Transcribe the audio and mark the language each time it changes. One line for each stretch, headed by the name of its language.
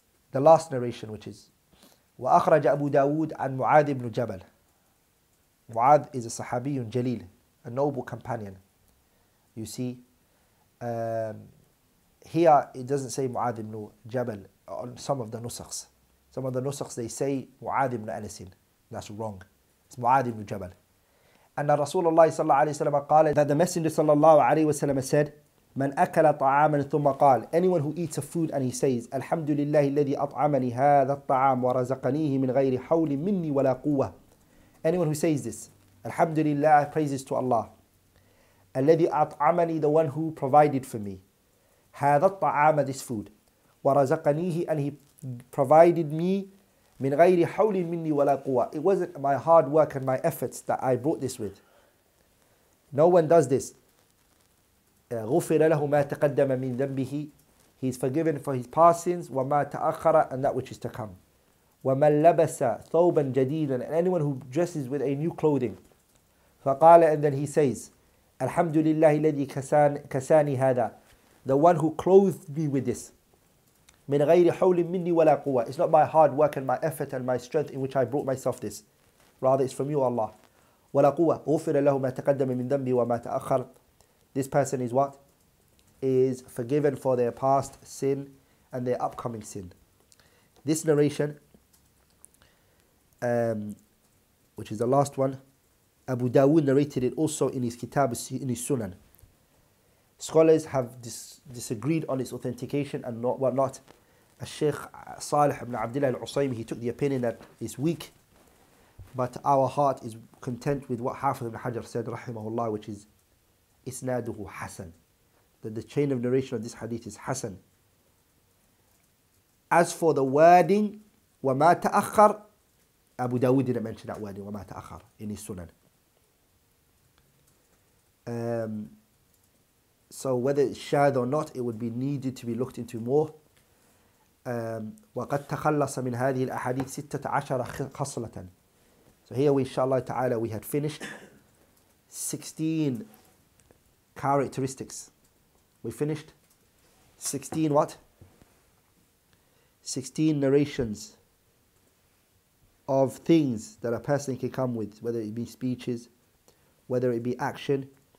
English: The last narration, which is
Arabic: وأخرج أبو داود عن معاذ بن جبل.
English: معاذ is a
Arabic: صحابي جليل,
English: a noble companion. You see, here it doesn't say معاذ بن جبل on some of the nusakhs. Some of the nusakhs, they say معاذ بن أنس. That's wrong. It's
Arabic: معاذ بن جبل. أن رسول الله صلى الله عليه وسلم قال,
English: that the messenger
Arabic: صلى الله عليه وسلم
English: said,
Arabic: من أكل طعاما ثم قال,
English: anyone who eats a food and he says,
Arabic: الحمد لله الذي أطعمني هذا الطعام ورزقنيه من غير حول مني ولا قوة.
English: Anyone who says this,
Arabic: الحمد لله,
English: praises to Allah,
Arabic: الذي أطعمني,
English: the one who provided for me,
Arabic: هذا الطعام,
English: this food,
Arabic: ورزقنيه,
English: and he provided me,
Arabic: من غير حول مني ولا قوة.
English: It wasn't my hard work and my efforts that I brought this with. No one does this.
Arabic: غفر له ما تقدم من ذنبه,
English: he is forgiven for his past sins,
Arabic: وما تأخر,
English: and that which is to come.
Arabic: ومن لبس ثوبا جديدا,
English: and anyone who dresses with a new clothing,
Arabic: فقال,
English: and then he says,
Arabic: الحمد لله الذي كساني هذا,
English: the one who clothed me with this,
Arabic: من غير حول مني ولا قوة,
English: it's not my hard work and my effort and my strength in which I brought myself this, rather it's from you, Allah.
Arabic: ولا قوة, غفر له ما تقدم من ذنبه وما تأخر.
English: This person is what? Is forgiven for their past sin and their upcoming sin. This narration, which is the last one, Abu Dawood narrated it also in his Kitab, in his Sunan. Scholars have disagreed on its authentication and whatnot. Al-Sheikh Salih ibn Abdullah al-Usaymi, he took the opinion that it's weak, but our heart is content with what Hafiz ibn Hajar said, rahimahullah, which is
Arabic: إسناده حسن,
English: that the chain of narration of this hadith is حسن. As for the wording
Arabic: وما تأخر,
English: Abu Dawood didn't mention that wording وما تأخر in his Sunan. So whether it's shad or not, it would be needed to be looked into more.
Arabic: وقد تخلص من هذه الأحاديث 16 خصلة.
English: So here we, inshallah ta'ala, we had finished 16 characteristics. We finished 16 what? 16 narrations of things that a person can come with, whether it be speeches, whether it be action.